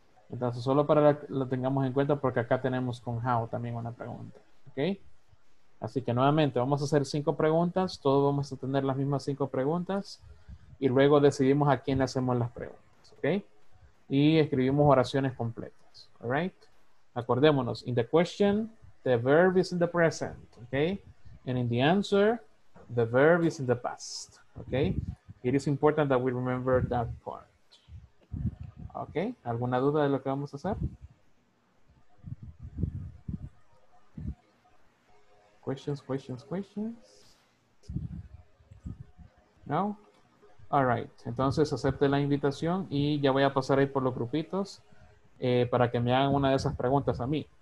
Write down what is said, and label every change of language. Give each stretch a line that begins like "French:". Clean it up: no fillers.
Spanish: Entonces, solo para lo tengamos en cuenta, porque acá tenemos con how también una pregunta. Okay. Así que nuevamente, vamos a hacer 5 preguntas. Todos vamos a tener las mismas 5 preguntas. Y luego decidimos a quién le hacemos las preguntas. Okay. Y escribimos oraciones completas.
English: All right.
Spanish: Acordémonos.
English: In the question, the verb is in the present. Okay. And in the answer, the verb is in the past. Okay. It is important that we remember that part. Okay.
Spanish: ¿Alguna duda de lo que vamos a hacer?
English: Questions.
Spanish: No.
English: All right.
Spanish: Entonces acepte la invitación y ya voy a pasar ahí por los grupitos para que me hagan una de esas preguntas a mí.